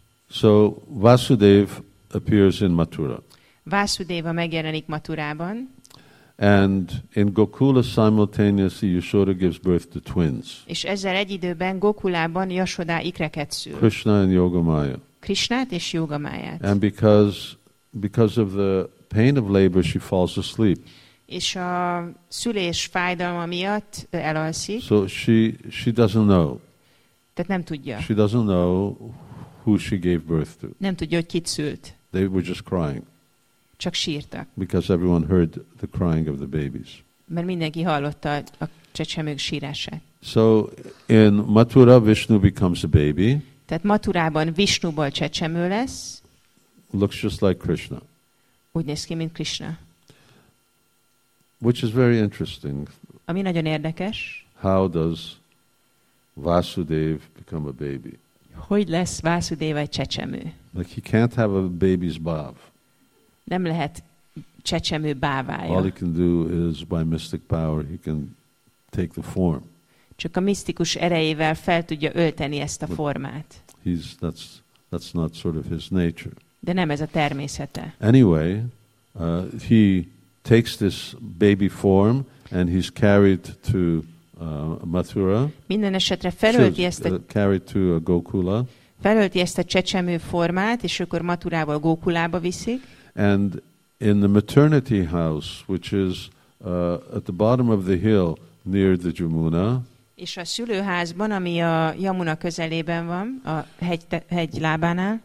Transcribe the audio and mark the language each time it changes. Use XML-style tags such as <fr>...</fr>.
<en>So Vasudev appears in Mathura.</en> <hu>Vasudeva megjelenik Mathurában.</hu> <en>And in Gokula simultaneously Yashoda gives birth to twins.</en> <hu>És ezzel egy időben Gokulában Yashoda ikreket szül.</hu> <en>Krishna and Yogamaya.</en> <hu>Krishnát és Yogamayát.</hu> <en>And because of the pain of labor she falls asleep.</en> <hu>És a szülés fájdalma miatt elalszik.</hu> <en>So she doesn't know.</en> <hu>Tehát nem tudja.</hu> <en>She doesn't know who she gave birth to.</en> <hu>Nem tudja, hogy kit szült.</hu> <en>They were just crying.</en> <hu>Csak sírtak.</hu> <en>Because everyone heard the crying of the babies.</en> <hu>Mert mindenki hallotta a csecsemők sírását.</hu> <en>So in Mathura Vishnu becomes a baby.</en> <hu>Tehát Mathurában Vishnuból csecsemő lesz.</hu> <en>Looks just like Krishna.</en> <hu>Úgy néz ki, mint Krishna.</hu> <en>Which is very interesting.</en> <hu>Ami nagyon érdekes.</hu> <en>How does Vasudev become a baby?</en> <hu>Hogy lesz Vasudev egy csecsemő?</hu> <en>Like he can't have a baby's bhav.</en> <hu>Nem lehet csecsemő bávája.</hu> <en>All he can do is by mystic power he can take the form.</en> <hu>Csak a misztikus erejével fel tudja ölteni ezt a formát.</hu> <en>That's not sort of his nature.</en> <hu>De nem ez a természete.</hu> <en>Anyway, he takes this baby form and he's carried to Mathura.</en> <hu>Minden esetre felölti ezt a</hu> <en>carried to a Gokula.</en> <hu>Felölti ezt a csecsemő formát, és akkor Mathurával Gokulába viszik.</hu> <en>And in the maternity house, which is at the bottom of the hill near the Jamuna. És a szülőházban, ami a Jamuna közelében van, a hegy lábánál.</en>